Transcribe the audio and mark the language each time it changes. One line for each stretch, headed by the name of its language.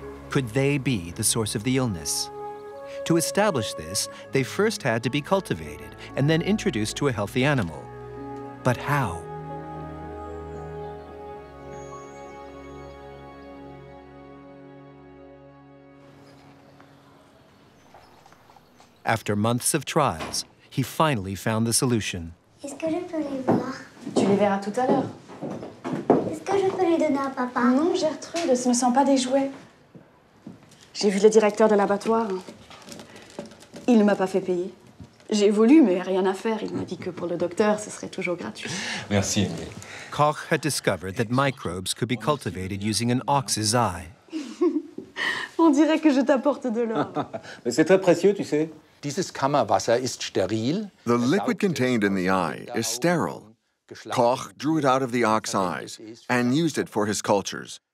English: Could they be the source of the illness? To establish this, they first had to be cultivated and then introduced to a healthy animal. But how? After months of trials, he finally found the solution.
French: Est-ce que je peux les voir? Tu les verras tout à l'heure. Est-ce que je peux les donner à papa? Non, Gertrude, ce ne sont pas des jouets. J'ai vu le directeur de l'abattoir. Il ne m'a pas fait payer. J'ai voulu, mais rien à faire. Il m'a dit que pour le docteur, ce serait toujours gratuit. Merci.
English: Koch had discovered that microbes could be cultivated using an ox's eye.
French: On dirait que je t'apporte de l'or. Mais c'est très précieux, tu sais.
German: Dieses Kammerwasser ist steril.
English: The liquid contained in the eye is sterile. Koch drew it out of the ox eyes and used it for his cultures.